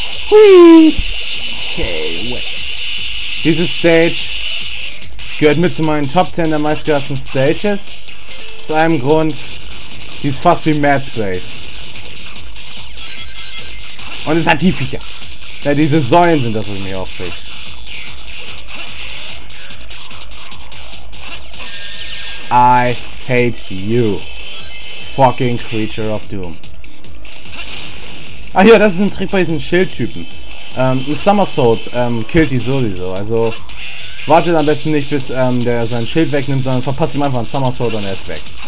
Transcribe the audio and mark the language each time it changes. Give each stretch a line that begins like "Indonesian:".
German: Hui!
English: Okay, wait.
German: Diese Stage gehört mit zu meinen Top 10 der meistgehassten Stages. Aus einem Grund, die ist fast wie Mad Space. Und es hat die Viecher! Ja, diese Säulen sind das, was mich aufregt.
English: I hate you, fucking creature of doom.
German: Ah ja, das ist ein Trick bei diesen Schildtypen. Ein Somersault killt die sowieso. Also wartet am besten nicht, bis der sein Schild wegnimmt, sondern verpasst ihm einfach ein Somersault und er ist weg.